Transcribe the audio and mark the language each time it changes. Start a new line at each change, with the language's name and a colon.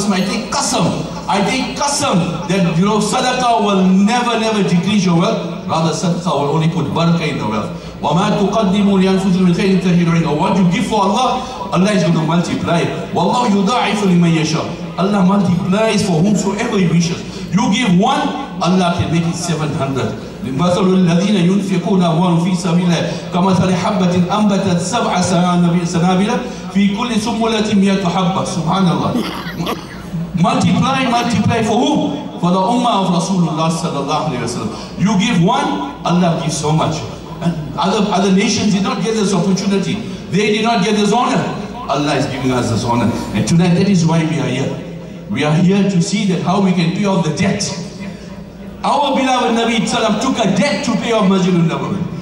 English: I take qasam that, you know, sadaqah will never, never decrease your wealth. Rather, sadaqah will only put barakah in the wealth.
Arabic: وَمَا تُقَدِّمُوا لِأَنفُسِكُمْ مِنْ خَيْرٍ تَجِدُوهُ.
English: What you give for Allah, Allah is going to multiply.
Arabic: وَاللَّهُ يُضَاعِفُ لِمَنْ يَشَاءُ.
English: Allah multiplies for whomsoever He wishes. You give one, Allah can make it 700.
Arabic: مثل الذين ينفقون أموالهم في سبيل الله كمثل حبة أنبتت سبع سنابل في كل سنبلة 100 حبة. سبحان الله. ما
English: Multiply, multiply for who? For the Ummah of Rasulullah sallallahu alayhi wa sallam. You give one, Allah gives so much. And other nations did not get this opportunity. They did not get this honor. Allah is giving us this honor. And tonight, that is why we are here. We are here to see that how we can pay off the debt. Our beloved Nabi sallam took a debt to pay off Masjid al-Nabawi.